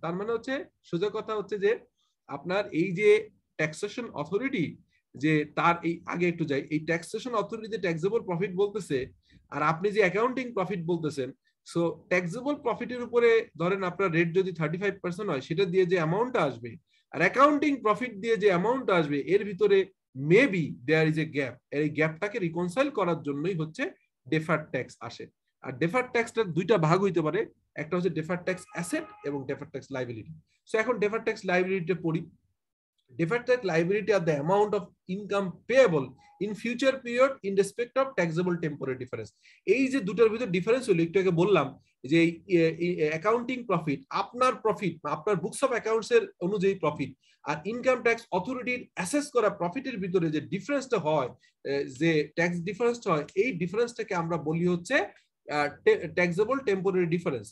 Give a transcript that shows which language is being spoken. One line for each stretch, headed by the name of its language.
Bangla: তার মানে হচ্ছে সোজা কথা হচ্ছে যে আপনার এই যে ট্যাক্সেশন অথরিটি, যে তার এই আগে একটু যাই, এই ট্যাক্সেশন অথরিটি যে ট্যাক্সেবল প্রফিট বলতেছে আর আপনি যে অ্যাকাউন্টিং প্রফিট বলতেছেন, সো ট্যাক্সেবল প্রফিটের উপরে ধরেন আপনার রেট যদি 35% হয় সেটা দিয়ে যে অ্যামাউন্টটা আসবে আর অ্যাকাউন্টিং প্রফিট দিয়ে যে অ্যামাউন্টটা আসবে এর ভিতরে
English: maybe there is a gap,
Bangla: এই গ্যাপটাকে রিকনসাইল করার জন্যই হচ্ছে ডেফার্ড ট্যাক্স আসে। আর ডেফার্ড ট্যাক্সটা দুইটা ভাগ হইতে পারে, একটা হচ্ছে ডেফার্ড ট্যাক্স অ্যাসেট এবং ডেফার্ড ট্যাক্স লাইবিলিটি। সো এখন ডেফার্ড ট্যাক্স লাইবিলিটিতে পড়ি।
English: Deferred tax liability are the amount of income payable in future period in respect of taxable temporary difference.
Bangla: এই যে দুটার ভিতরে ডিফারেন্স হলো, একটু আগে বললাম যে অ্যাকাউন্টিং প্রফিট আপনার প্রফিট আপনার বুকস অফ অ্যাকাউন্টস এর অনুযায়ী প্রফিট, আর ইনকাম ট্যাক্স অথরিটির অ্যাসেস করা প্রফিটের ভিতরে যে ডিফারেন্সটা হয়, যে ট্যাক্স ডিফারেন্সটা হয়, এই ডিফারেন্সটাকে আমরা বলি হচ্ছে taxable temporary difference.